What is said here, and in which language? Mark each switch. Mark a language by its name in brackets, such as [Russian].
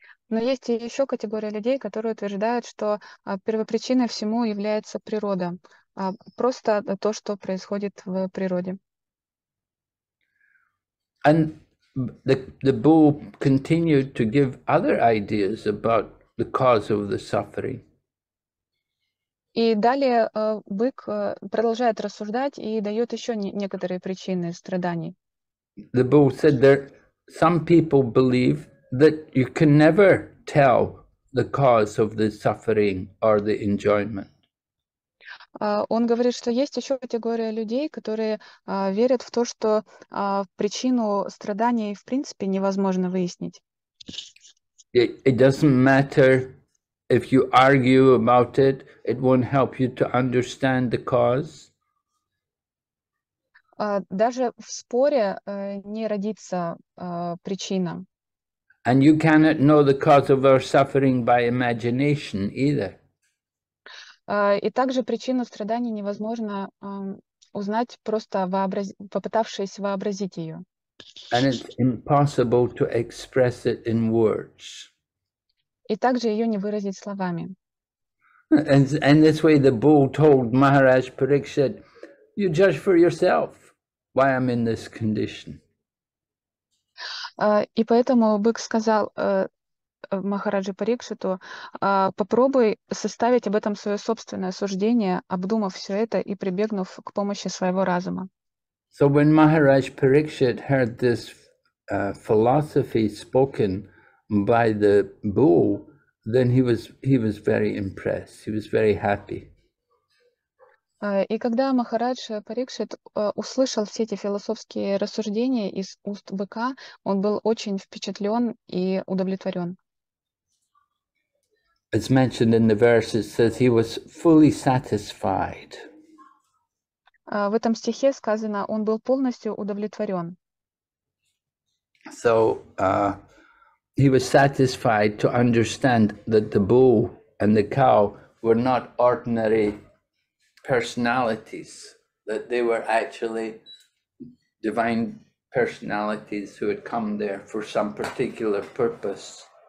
[Russian] Но есть и еще категория людей, которые утверждают, что первопричиной всему является природа, просто то, что происходит в природе. [English] And the bull continued to give other ideas about the cause of the suffering. [Russian] И далее бык продолжает рассуждать и дает еще некоторые причины страданий. [English] The bull said that some people believe that you can never tell the cause of the suffering or the enjoyment. [Russian] Он говорит, что есть еще категория людей, которые верят в то, что причину страданий в принципе невозможно выяснить. [English] It doesn't matter if you argue about it, it won't help you to understand the cause. [Russian] Даже в споре не родится причина. [English] And you cannot know the cause of our suffering by imagination either. [Russian] И также причину страданий невозможно узнать, просто попытавшись вообразить ее. [English] And it's impossible to express it in words. [Russian] И также ее не выразить словами. [English] And this way the bull told Maharaj Parikshit, you judge for yourself why I'm in this condition. [Russian] И поэтому бык сказал Махараджи Парикшиту, попробуй составить об этом свое собственное суждение, обдумав все это и прибегнув к помощи своего разума. [English] So when Maharaj Parikshit heard this philosophy spoken by the bull, then he was very impressed. He was very happy. [Russian] И когда Махарадж Парикшит услышал все эти философские рассуждения из уст быка, он был очень впечатлен и удовлетворен. [English] It's mentioned in the verse, it says he was fully satisfied. [Russian] В этом стихе сказано, он был полностью удовлетворен. [English] So he was satisfied to understand that the bull and the cow were not ordinary personalities, that they were actually divine personalities who had come there for some particular purpose.